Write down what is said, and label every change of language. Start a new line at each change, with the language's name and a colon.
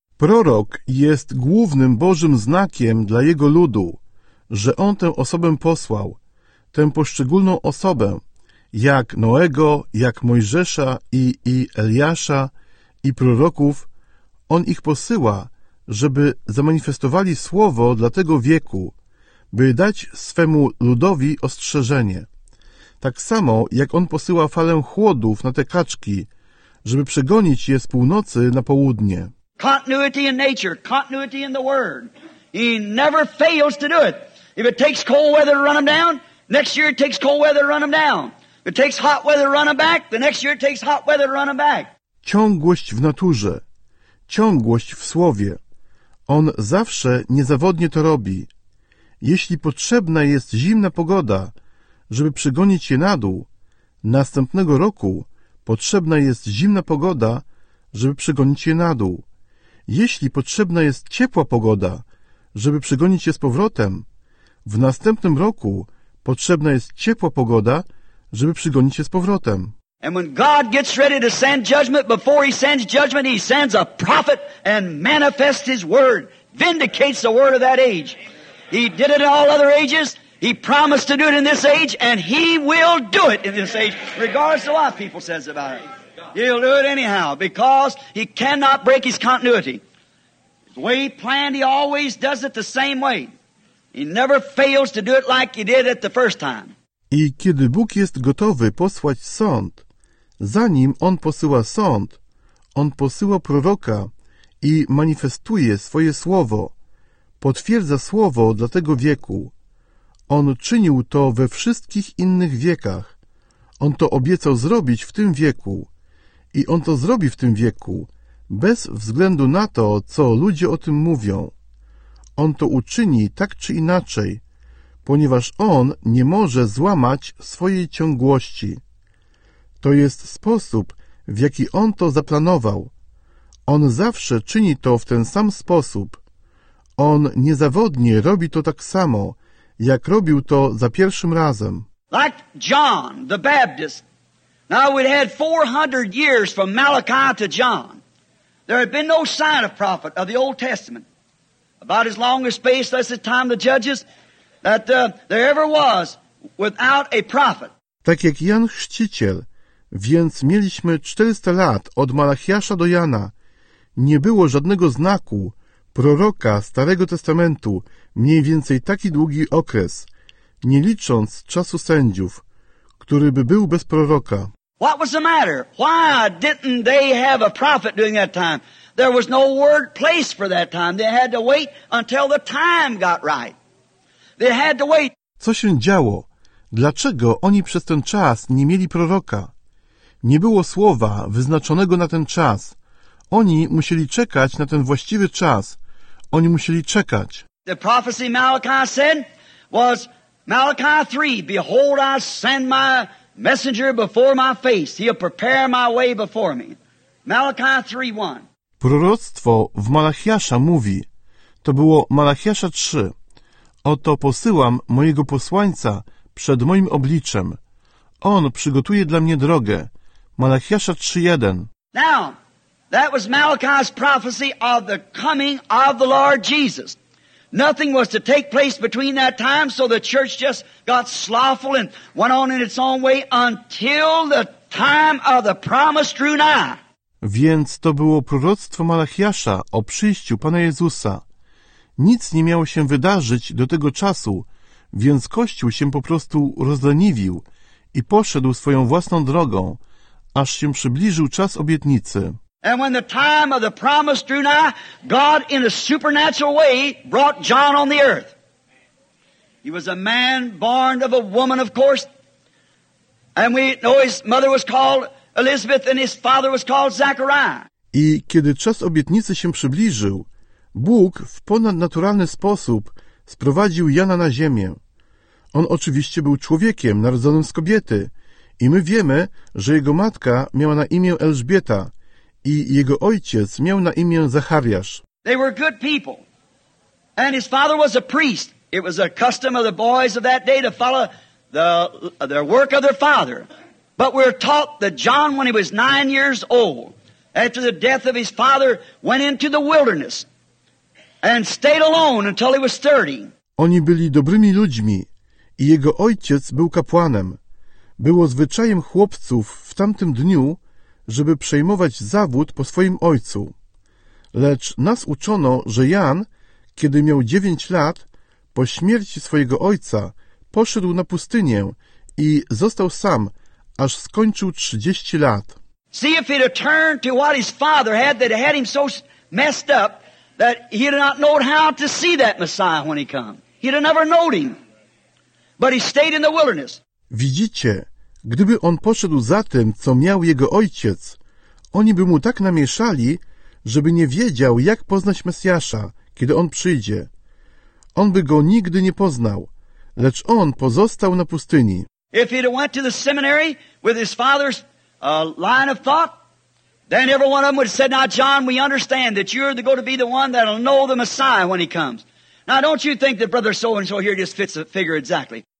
Polish: Prorok jest głównym Bożym znakiem dla jego ludu, że on tę osobę posłał, tę poszczególną osobę, jak Noego, jak Mojżesza i Eliasza i proroków, on ich posyła, żeby zamanifestowali słowo dla tego wieku, by dać swemu ludowi ostrzeżenie. Tak samo, jak on posyła falę chłodów na te kaczki, żeby przegonić je z północy na południe.
English: Continuity in nature, continuity in the word. He never fails to do it. If it takes cold weather to run them down, next year it takes cold weather to run them down. If it takes hot weather to run them back, the next year it takes hot weather to run them back.
Polish: Ciągłość w naturze, ciągłość w słowie. On zawsze niezawodnie to robi. Jeśli potrzebna jest zimna pogoda, żeby przygonić je na dół, następnego roku potrzebna jest zimna pogoda, żeby przygonić je na dół. Jeśli potrzebna jest ciepła pogoda, żeby przygonić je z powrotem, w następnym roku potrzebna jest ciepła pogoda, żeby przygonić je z powrotem.
English: And when God gets ready to send judgment, before he sends judgment, he sends a prophet and manifests his word, vindicates the word of that age. He did it in all other ages, he promised to do it in this age, and he will do it in this age, regardless of what people says about it. He'll do it anyhow, because he cannot break his continuity. The way he planned, he always does it the same way. He never fails to do it like he did it the first time.
Polish: I kiedy Bóg jest gotowy posłać sąd, zanim on posyła sąd, on posyła proroka i manifestuje swoje słowo, potwierdza słowo dla tego wieku. On czynił to we wszystkich innych wiekach. On to obiecał zrobić w tym wieku. I on to zrobi w tym wieku, bez względu na to, co ludzie o tym mówią. On to uczyni tak czy inaczej, ponieważ on nie może złamać swojej ciągłości. To jest sposób, w jaki on to zaplanował. On zawsze czyni to w ten sam sposób. On niezawodnie robi to tak samo, jak robił to za pierwszym razem.
English: Like John the Baptist. Now we'd had 400 years from Malachi to John. There had been no sign of prophet of the Old Testament. About as long a space as the time of the judges that there ever was without a prophet.
Polish: Tak jak Jan Chrzciciel, więc mieliśmy 400 lat od Malachiasza do Jana. Nie było żadnego znaku proroka Starego Testamentu, mniej więcej taki długi okres, nie licząc czasu sędziów, który by był bez proroka.
English: What was the matter? Why didn't they have a prophet during that time? There was no word place for that time. They had to wait until the time got right. They had to wait.
Polish: Co się działo? Dlaczego oni przez ten czas nie mieli proroka? Nie było słowa wyznaczonego na ten czas. Oni musieli czekać na ten właściwy czas. Oni musieli czekać.
English: The prophecy Malachi said was Malachi 3, behold, I send my messenger before my face. He'll prepare my way before me. Malachi 3:1.
Polish: Proroctwo w Malachiasza mówi, to było Malachiasza 3. Oto posyłam mojego posłańca przed moim obliczem. On przygotuje dla mnie drogę. Malachiasza 3:1.
English: Now, That was Malachi's prophecy of the coming of the Lord Jesus. Nothing was to take place between that time, so the church just got slothful and went on in its own way until the time of the promise drew nigh.
Polish: Więc to było proroctwo Malachiasza o przyjściu Pana Jezusa. Nic nie miało się wydarzyć do tego czasu, więc Kościół się po prostu rozleniwił i poszedł swoją własną drogą, aż się przybliżył czas obietnicy.
English: And when the time of the promise drew nigh, God in a supernatural way brought John on the earth. He was a man born of a woman, of course. And we know his mother was called Elizabeth and his father was called Zachariah.
Polish: I kiedy czas obietnicy się przybliżył, Bóg w ponadnaturalny sposób sprowadził Jana na ziemię. On oczywiście był człowiekiem narodzonym z kobiety i my wiemy, że jego matka miała na imię Elżbieta i jego ojciec miał na imię Zachariasz.
English: They were good people. And his father was a priest. It was a custom of the boys of that day to follow the work of their father. But we're taught that John, when he was 9 years old, after the death of his father, went into the wilderness and stayed alone until he was 30.
Polish: Oni byli dobrymi ludźmi i jego ojciec był kapłanem. Było zwyczajem chłopców w tamtym dniu, żeby przejmować zawód po swoim ojcu. Lecz nas uczono, że Jan, kiedy miał 9 lat, po śmierci swojego ojca, poszedł na pustynię i został sam, aż skończył 30 lat.
English: See if he'd have turned to what his father had that had him so messed up that he'd not know how to see that Messiah when he come. He'd have never known him. But he stayed in the wilderness.
Polish: Widzicie, gdyby on poszedł za tym, co miał jego ojciec, oni by mu tak namieszali, żeby nie wiedział, jak poznać Mesjasza, kiedy on przyjdzie. On by go nigdy nie poznał, lecz on pozostał na pustyni.
English: If he'd have went to the seminary with his father's line of thought, then every one of them would have said, now John, we understand that you're going to be the one that'll know the Messiah when he comes. Now don't you think that brother so-and-so here just fits the figure exactly.